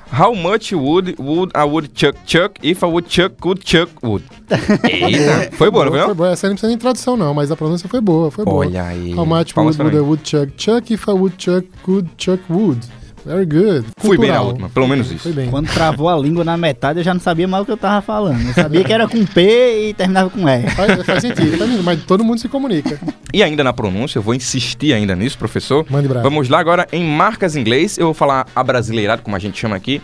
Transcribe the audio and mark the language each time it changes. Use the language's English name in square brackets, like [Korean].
[English] How much wood a woodchuck chuck if a woodchuck could chuck wood? [Portuguese] Eita, foi boa, não foi? Foi boa, essa não precisa nem tradução não, mas a pronúncia foi boa, foi boa. Olha aí. [English] How much wood a woodchuck chuck if a woodchuck could chuck wood? Very good. [Portuguese] Fui cultural. Bem na última, pelo menos isso. Foi bem. Quando travou a língua na metade, eu já não sabia mais o que eu tava falando. Eu sabia que era com P e terminava com R. Faz sentido, tá lindo, mas todo mundo se comunica. E ainda na pronúncia, eu vou insistir ainda nisso, professor. Mande braço. Vamos lá agora em marcas em inglês. Eu vou falar abrasileirado, como a gente chama aqui.